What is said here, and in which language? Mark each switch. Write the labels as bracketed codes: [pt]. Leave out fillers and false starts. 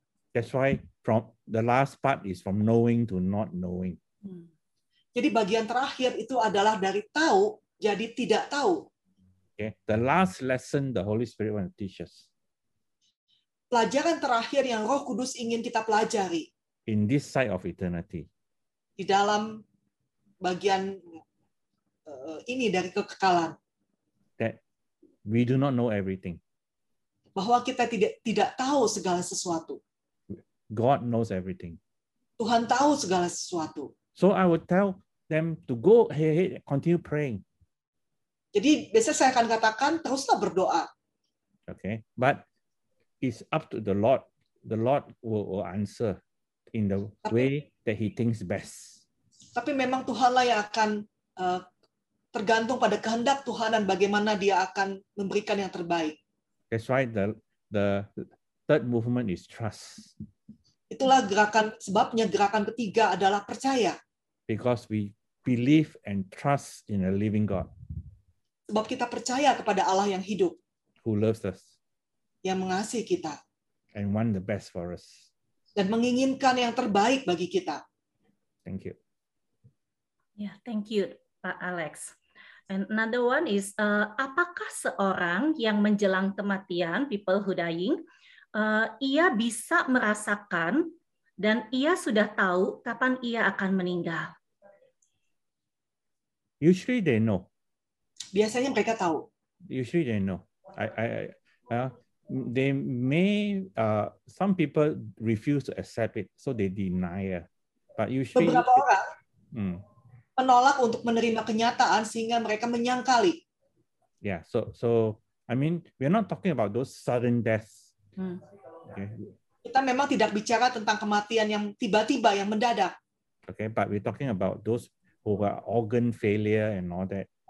[en] That's why from the last part is from knowing to not knowing. [id] Jadi bagian terakhir itu adalah dari tahu jadi tidak tahu. [en] Okay, the last lesson the Holy Spirit wants to teach us. [id] Pelajaran terakhir yang Roh Kudus ingin kita pelajari. [en] In this side of eternity. [id] Di dalam bagian ini dari kekekalan. [en] That we do not know everything. [id] Bahwa kita tidak tahu segala sesuatu. [en] God knows everything. [id] Tuhan tahu segala sesuatu. [en] So I would tell them to go ahead, continue praying. [id] Jadi biasanya saya akan katakan teruslah berdoa. [en] Okay, but it's up to the Lord. The Lord will answer in the way that He thinks best. [id] Tapi memang Tuhanlah yang akan tergantung pada kehendak Tuhan dan bagaimana Dia akan memberikan yang terbaik. [en] That's why the third movement is trust. [id] Itulah gerakan sebabnya gerakan ketiga adalah percaya. [en] Because we believe and trust in a living God. [id] Sebab kita percaya kepada Allah yang hidup. [en] Who loves us. [id] Yang mengasihi kita. [en] And want the best for us. [id] Dan menginginkan yang terbaik bagi kita. [en] Thank you. Yeah, thank you, Pak Alex. And another one is, [id] apakah seorang yang menjelang kematian, [en] people who dying, [id] ia bisa merasakan dan ia sudah tahu kapan ia akan meninggal? [en] Usually they know. [id] Biasanya mereka tahu. [en] Usually they know. They may, some people refuse to accept it, so they deny it. But usually, [id] beberapa orang menolak untuk menerima kenyataan sehingga mereka menyangkali. [en] Yeah, so I mean, we're not talking about those sudden deaths. Okay. [id] Kita memang tidak bicara tentang kematian yang tiba-tiba, yang mendadak. [en] Okay, but we're talking about those who are organ failure and all that.